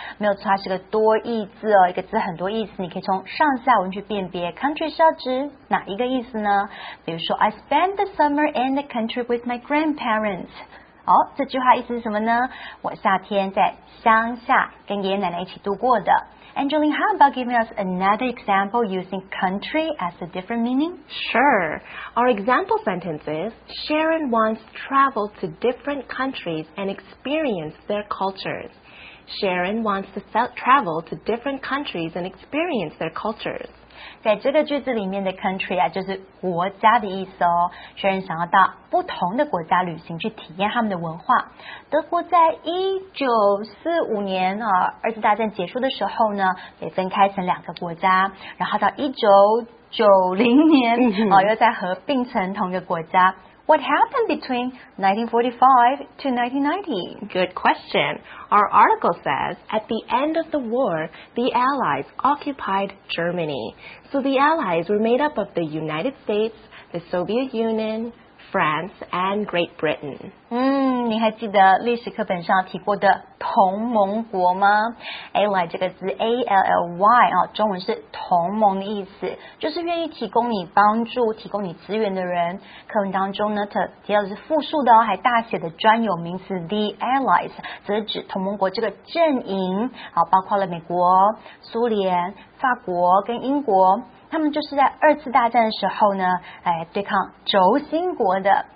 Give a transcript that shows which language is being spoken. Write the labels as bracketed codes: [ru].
[zh] 没有错，它是个多义字哦，一个字很多意思，你可以从上下文去辨别 country 是要指哪一个意思呢？比如说 [en] I spend the summer in the country with my grandparents。 [zh] 好，这句话意思是什么呢？我夏天在乡下跟爷爷奶奶一起度过的。 [en] Angeline, how about giving us another example using country as a different meaning? Sure. Our example sentence is, Sharon wants to travel to different countries and experience their cultures. Sharon wants to travel to different countries and experience their cultures. [zh] 在这个句子里面的 country 啊，就是国家的意思哦。 Sharon 想要到不同的国家旅行，去体验他们的文化。德国在1945年啊，二次大战结束的时候呢，被分开成两个国家，然后到1990年啊，又再合并成同一个国家。 [en] What happened between 1945 to 1990? Good question. Our article says, at the end of the war, the Allies occupied Germany. So the Allies were made up of the United States, the Soviet Union, France, and Great Britain. [zh] 你还记得历史课本上提过的同盟国吗？ Ally 这个字 A-L-L-Y、啊、中文是同盟的意思，就是愿意提供你帮助，提供你资源的人。课文当中呢提到的是复数的、哦、还大写的专有名词 The Allies 则指同盟国这个阵营、啊、包括了美国、苏联、法国跟英国，他们就是在二次大战的时候呢、哎、对抗轴心国的。